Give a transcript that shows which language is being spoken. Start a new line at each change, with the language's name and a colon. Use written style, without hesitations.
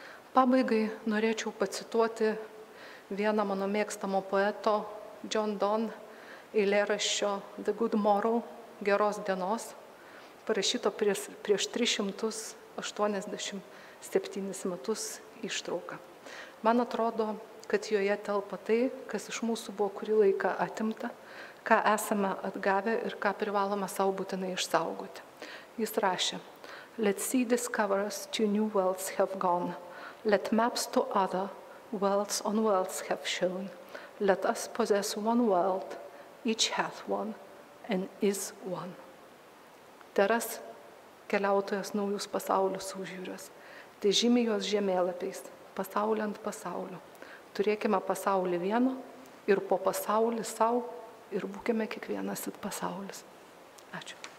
Lithuanian: Pabaigai norėčiau pacituoti vieną mano mėgstamo poeto John Donne eilėraščio The Good Morrow, geros dienos, parašyto prieš 387 metus ištrauką. Man atrodo, kad joje telpa tai, kas iš mūsų buvo kurį laiką atimta, ką esame atgavę ir ką privalome savo būtinai išsaugoti.
English: Jis rašė: Let sea discoverers to new worlds have gone. Let maps to other worlds on worlds have shown. Let us possess one world, each hath one and is one.
Lithuanian: Teras keliautojas naujus pasaulius užjūrės, tai žymi juos žemėlapiais, pasaulio ant pasaulio. Turėkime pasaulį vieno ir po pasaulį savo ir būkime kiekvienas it pasaulis. Ačiū.